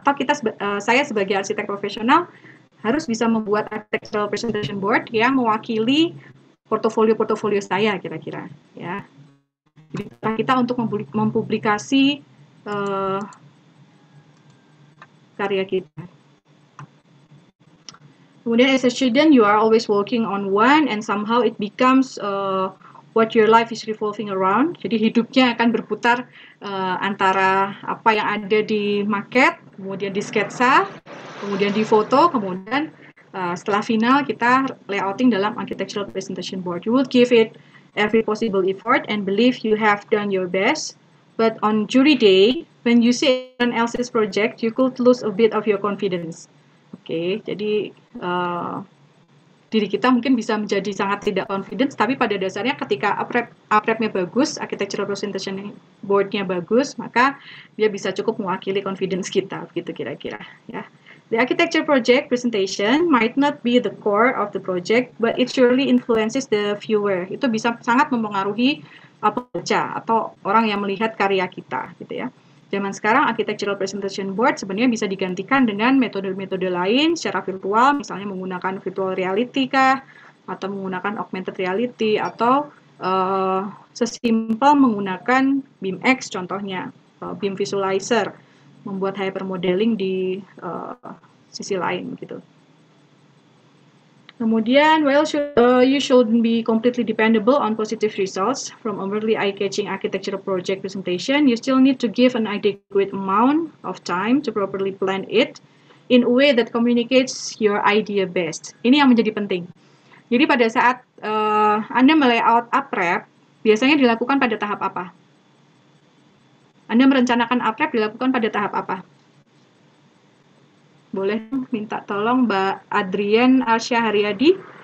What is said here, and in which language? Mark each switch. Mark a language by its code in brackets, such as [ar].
[id] Atau kita, saya sebagai arsitek profesional harus bisa membuat architectural presentation board yang mewakili portofolio-portofolio saya, kira-kira. Ya. Jadi kita untuk mempublikasi karya kita. [en] Kemudian as a student, you are always working on one and somehow it becomes what your life is revolving around. [id] Jadi hidupnya akan berputar antara apa yang ada di maket, kemudian di sketsa, kemudian di foto, kemudian setelah final kita layouting dalam architectural presentation board. [en] You will give it every possible effort and believe you have done your best. But on jury day, when you see someone else's project, you could lose a bit of your confidence. [id] Okay, jadi diri kita mungkin bisa menjadi sangat tidak confident, tapi pada dasarnya ketika up-rep-nya bagus, architectural presentation board-nya bagus, maka dia bisa cukup mewakili confidence kita, gitu kira-kira. Ya. [en] The architecture project presentation might not be the core of the project, but it surely influences the viewer. [id] Itu bisa sangat mempengaruhi pembaca atau orang yang melihat karya kita, gitu ya. Zaman sekarang, architectural presentation board sebenarnya bisa digantikan dengan metode-metode lain secara virtual, misalnya menggunakan virtual reality kah, atau menggunakan augmented reality, atau sesimpel menggunakan BIMX contohnya, BIM visualizer, membuat hypermodeling di sisi lain, gitu. [en] Kemudian, well, you shouldn't be completely dependable on positive results from overly eye-catching architectural project presentation. You still need to give an adequate amount of time to properly plan it in a way that communicates your idea best. [id] Ini yang menjadi penting. Jadi pada saat Anda melayout up-rep, biasanya dilakukan pada tahap apa? Anda merencanakan up-rep dilakukan pada tahap apa? Boleh minta tolong Mbak Adrian Alsyah Haryadi?